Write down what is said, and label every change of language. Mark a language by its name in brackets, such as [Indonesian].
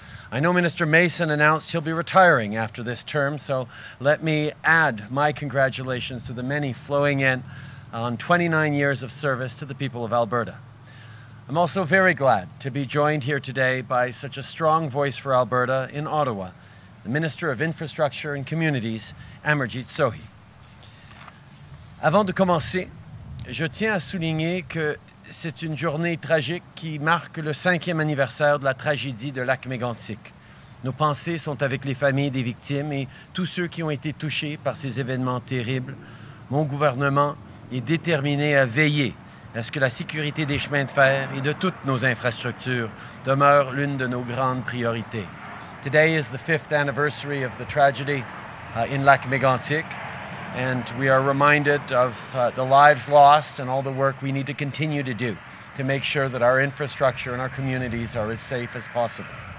[English] I know Minister Mason announced he'll be retiring after this term, so let me add my congratulations to the many flowing in on 29 years of service to the people of Alberta. I'm also very glad to be joined here today by such a strong voice for Alberta in Ottawa, the Minister of Infrastructure and Communities, Amarjeet Sohi. [French] Avant de commencer, je tiens à souligner que c'est une journée tragique qui marque le cinquième anniversaire de la tragédie de Lac-Mégantic. Nos pensées sont avec les familles des victimes et tous ceux qui ont été touchés par ces événements terribles. Mon gouvernement est déterminé à veiller à ce que la sécurité des chemins de fer et de toutes nos infrastructures demeure l'une de nos grandes priorités. [English] Today is the fifth anniversary of the tragedy in Lac-Mégantic. And we are reminded of the lives lost and all the work we need to continue to do to make sure that our infrastructure and our communities are as safe as possible.